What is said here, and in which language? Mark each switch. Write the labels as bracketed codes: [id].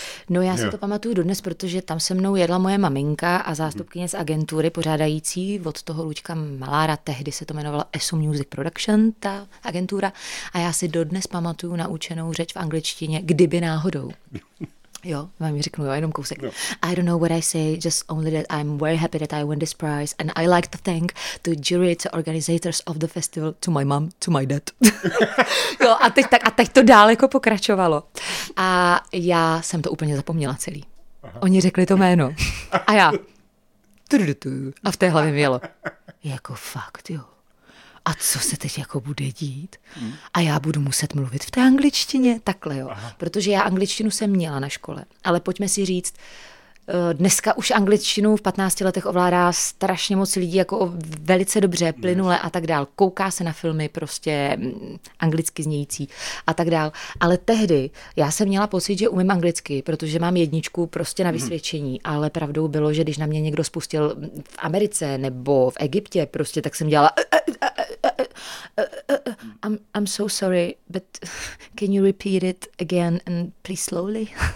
[cs] No já si to pamatuju dodnes, protože tam se mnou jedla moje maminka a zástupkyně z agentury pořádající od toho Luďka Malára, tehdy se to jmenovala ESO Music Production, ta agentura. A já si dodnes pamatuju naučenou řeč v angličtině, kdyby náhodou. Jo, vám řeknu, jo, jenom kousek. No. [en] I don't know what I say, just only that I'm very happy that I won this prize and I like to thank the jury, to organizers of the festival, to my mom, to my dad. [cs] Jo, a teď, tak, a teď to dál jako pokračovalo. A já jsem to úplně zapomněla celý. Aha. Oni řekli to jméno. A já, a v té hlavě mělo, jako fakt, jo. A co se teď jako bude dít? A já budu muset mluvit v té angličtině? Takhle jo, protože já angličtinu jsem měla na škole. Ale pojďme si říct, dneska už angličtinu v 15 letech ovládá strašně moc lidí, jako velice dobře, plynule a tak dál. Kouká se na filmy prostě anglicky znějící a tak dál. Ale tehdy já jsem měla pocit, že umím anglicky, protože mám jedničku prostě na vysvědčení, ale pravdou bylo, že když na mě někdo spustil v Americe nebo v Egyptě, prostě tak jsem dělala... [en] I'm so sorry, but can you repeat it again and please slowly?